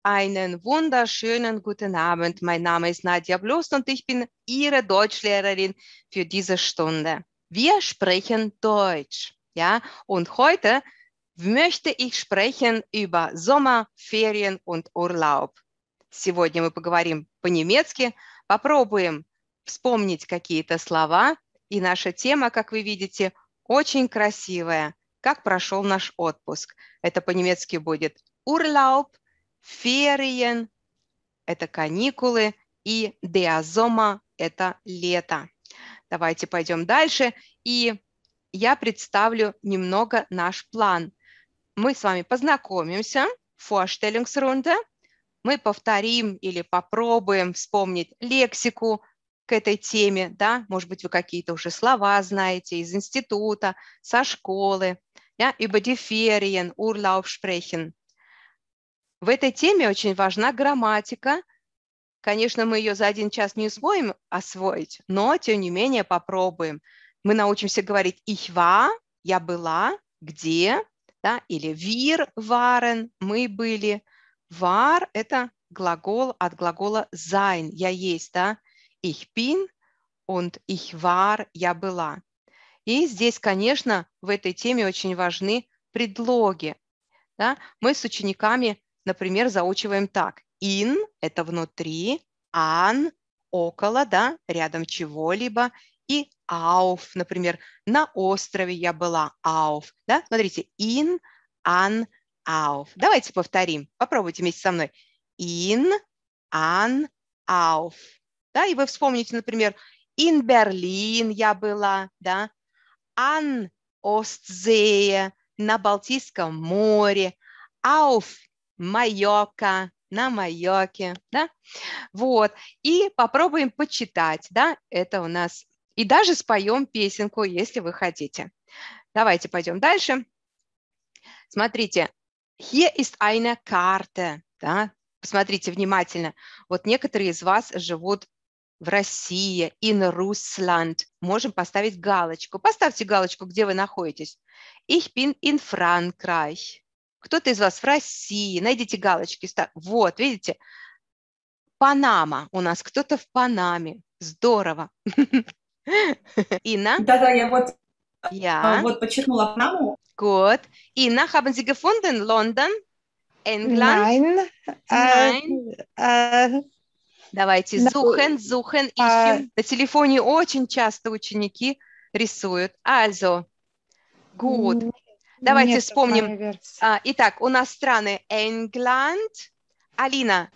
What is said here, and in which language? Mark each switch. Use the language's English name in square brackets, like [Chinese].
[German] Einen wunderschönen guten Abend. Mein Name ist Nadja Blust und ich bin Ihre Deutschlehrerin für diese Stunde. Wir sprechen Deutsch, ja? Und heute möchte ich sprechen über Sommerferien und Urlaub. [Russian] Сегодня мы поговорим по-немецки, попробуем вспомнить какие-то слова. И наша тема, как вы видите, очень красивая. Как прошел наш отпуск? Это по-немецки будет Urlaub. Ferien – это каникулы, и der Sommer – это лето. Давайте пойдем дальше, и я представлю немного наш план. Мы с вами познакомимся, Vorstellungsrunde, мы повторим или попробуем вспомнить лексику к этой теме, да? Может быть, вы какие-то уже слова знаете из института, со школы. [German] Ja, über die Ferien, Urlaub sprechen. [Russian] В этой теме очень важна грамматика. Конечно, мы ее за один час не усвоим освоить, но тем не менее попробуем. Мы научимся говорить [German] ich war, [Russian] я была, где, да, или [German] wir waren, [Russian] мы были. War – это глагол от глагола sein, я есть, да. [German] Ich bin und ich war, [Russian] я была. И здесь, конечно, в этой теме очень важны предлоги. Да? Мы с учениками например, заучиваем так. In – это внутри, an – около, да, рядом чего-либо, и auf, например, на острове я была, auf. Да? [German] Смотрите, in, an, auf. [Russian] Давайте повторим. Попробуйте вместе со мной. [German] In, an, auf. Да? [Russian] И вы вспомните, например, [German] in Berlin [Russian] я была, да? [German] An Ostsee, [Russian] на Балтийском море, auf Майорка, на Майорке, да? Вот. И попробуем почитать, да? Это у нас. И даже споем песенку, если вы хотите. Давайте пойдем дальше. Смотрите. [German] Hier ist eine Karte, да? [Russian] Посмотрите внимательно. Вот некоторые из вас живут в России, in Russland. Можем поставить галочку. Поставьте галочку, где вы находитесь. [German] Ich bin in Frankreich. [Russian] Кто-то из вас в России, найдите галочки. Вот, видите, Панама. У нас кто-то в Панаме. Здорово. Инна? Да, я вот, Я? вот подчеркнула Панаму. [English] Гуд. [German] Инна, haben Sie gefunden London? England? Nein. Nein. [Russian] Давайте, [German] suchen, suchen, [Russian] ищем. На телефоне очень часто ученики рисуют. Also, good. Давайте Нет, вспомним. моя версия. Итак, у нас страны England, Алина,